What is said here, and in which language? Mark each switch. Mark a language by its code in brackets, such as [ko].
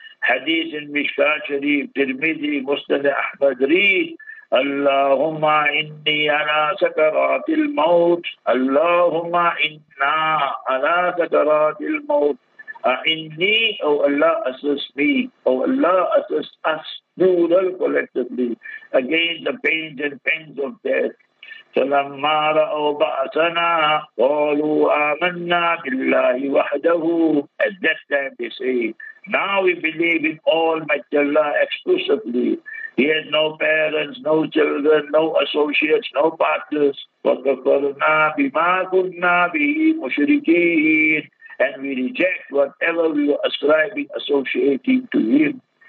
[en] Hadith in Mishkat Sharif, Tirmidhi, Mustafa Ahmad read, [ar] اللهم إني على سكرات الموت اللهم إنا على سكرات الموت أعني أو الله [en] assist me [ar] أو الله [en] assist us plural collectively against the pains and pains of death. [ar] فلما رأوا بأسنا قالوا آمنا بالله وحده. [en] At that time they say, now we believe in Almighty Allah exclusively. He had no parents, no children, no associates, no partners. [ar] وَكَفَرْنَا بِمَا كُنَّا بِهِ مُشْرِكِينَ. [en] And we reject whatever we were ascribing, associating to him.